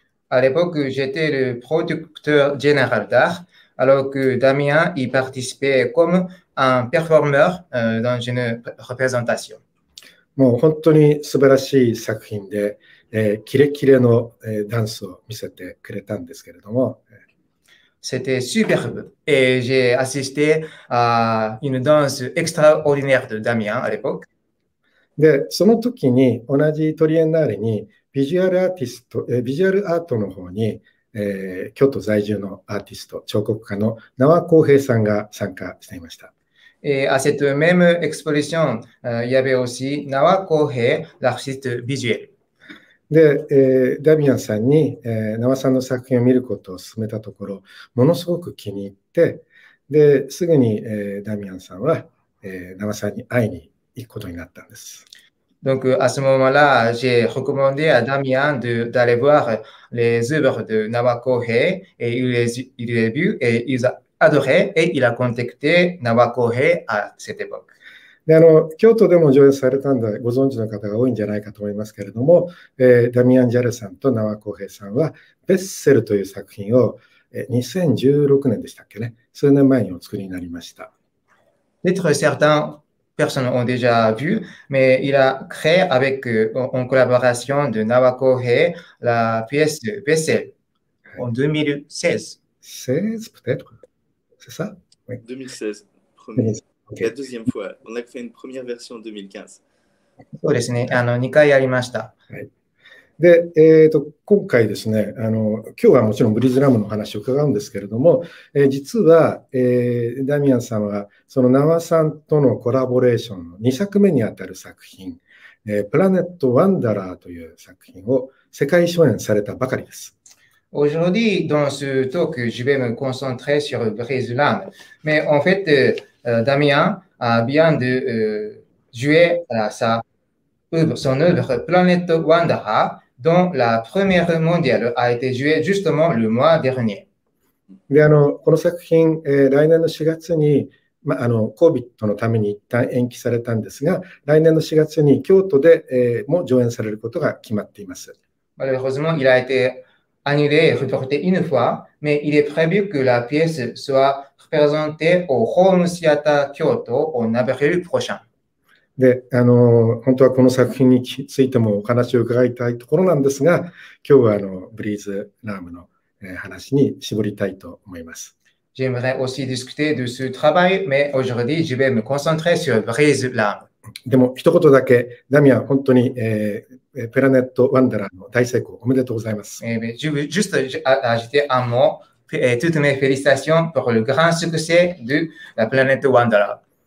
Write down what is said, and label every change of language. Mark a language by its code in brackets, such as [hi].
[fr] À l'époque, j'étais le producteur général d'art. Alors que Damien y participait comme un performeur dans une représentation. [ja] もう本当に素晴らしい作品で、キレキレの、ダンスを見せてくれたんですけれども、 [fr] C'était superbe et j'ai assisté à une danse extraordinaire de Damien à l'époque. [ja] で、その時に同じトリエンナーレにビジュアルアートの方に、京都在住のアーティスト、彫刻家の縄晃平さんが参加していました。 [fr] Et à cette même exposition, il y avait aussi Nawa Kohei, l'artiste visuel. [ja] で、ダミアンさんに、縄さんの作品を見ることを勧めたところ、ものすごく気に入って、ですぐに、ダミアンさんは、縄さんに会いに行くことになったんです。 [fr] Donc, à ce moment-là, j'ai recommandé à Damien d'aller voir les œuvres de Nawa Kohei et il les a vues et ils ont adoré et il a contacté Nawa Kohei à cette époque. [ja] で、京都でも上演されたんで、ご存知の方が多いんじゃないかと思いますけれども、ダミアン・ジャレさんと縄晃平さんは、ベッセルという作品を、2016年でしたっけね、数年前にお作りになりました。 [fr] Peut-être certaines personnes ont déjà vu, mais il a créé avec en collaboration de Nawa Kohei la pièce Vaisselle en 2016. 16, peut-être? C'est ça? Oui. 2016, premier. 2016, OK. La deuxième fois. On a fait une première version en 2015. [ja] そうですね。2回やりました。で、今回ですね、今日はもちろんブリーズラムの話を伺うんですけれども、実は、ダミアンさんはその縄さんとのコラボレーションの2作目にあたる作品、「プラネット・ワンダラー」という作品を世界初演されたばかりです。 [fr] Aujourd'hui, dans ce talk, je vais me concentrer sur Brise l'âme. Mais en fait, Damien a bien de jouer son œuvre Planète Wanda, dont la première mondiale a été jouée justement le mois dernier. [ja] で、この作品、来年の4月に、COVID のために一旦延期されたんですが、来年の4月に京都で、も上演されることが決まっています。 [fr] Malheureusement, il a été annulé et reporté une fois, mais il est prévu que la pièce soit représentée au Home Theater Kyoto en avril prochain. [ja] で、本当はこの作品についてもお話を伺いたいところなんですが、今日はブリーズ・ラームの話に絞りたいと思います。 [fr] J'aimerais aussi discuter de ce travail, mais aujourd'hui, je vais me concentrer sur Brise l'âme. [ja] でも一言だけ、ダミアン、本当に、プラネット・ワンダラーの大成功、おめでとうございます。 [fr] Je veux juste ajouter un mot et toutes mes félicitations pour le grand succès de la planète Wanda.